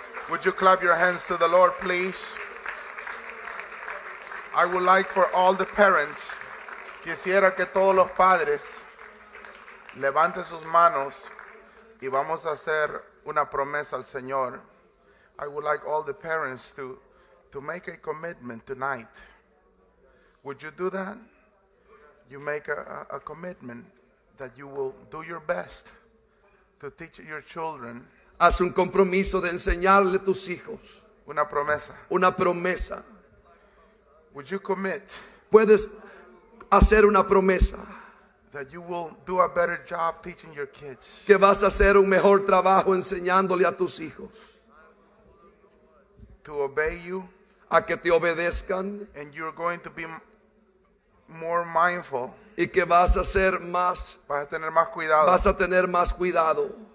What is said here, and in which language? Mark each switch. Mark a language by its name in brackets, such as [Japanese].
[English] Would you clap your hands to the Lord, please? I would like for all the parents. [Spanish] Quisiera que todos los padres levanten sus manos y vamos a hacer una promesa al Señor. [English] I would like all the parents to make a commitment tonight. Would you do that? You make a commitment that you will do your best to teach your children. [Spanish] Haz un compromiso de enseñarle a tus hijos. Una promesa. Una promesa. [English] Would you commit? [Spanish] Puedes hacer una promesa. [English] That you will do a better job teaching your kids. [Spanish] Que vas a hacer un mejor trabajo enseñándole a tus hijos. [English] To obey you. [Spanish] A que te obedezcan. [English] And you're going to be more mindful. [Spanish] Y que vas a ser más. Vas a tener más cuidado. Vas a tener más cuidado.